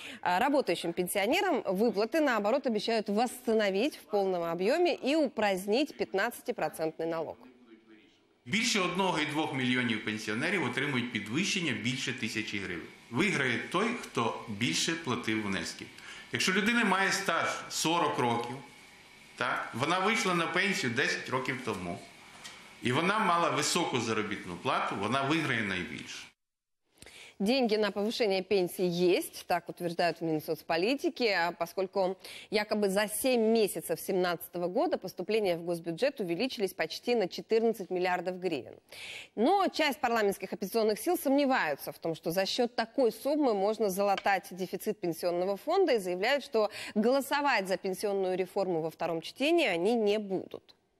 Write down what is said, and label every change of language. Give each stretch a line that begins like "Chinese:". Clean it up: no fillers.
Russian: А работающим пенсионерам выплаты, наоборот, обещают восстановить в полном объеме и упразднить 15-процентный налог. Больше 1,2 миллионов пенсионеров получают підвищення больше 1000 гривен. Выиграет той, кто больше платил внески. Если у человека имеет стаж 40 лет,
Ukrainian: вона вийшла на пенсію 10 років тому, і вона мала високу заробітну плату, вона виграє найбільше.
Russian: Деньги на повышение пенсии есть, так утверждают в Минсоцполитике, поскольку якобы за 7 месяцев 2017 года поступления в госбюджет увеличились почти на 14 миллиардов гривен. Но часть парламентских оппозиционных сил сомневаются в том, что за счет такой суммы можно залатать дефицит пенсионного фонда, и заявляют, что голосовать за пенсионную реформу во втором чтении они не будут.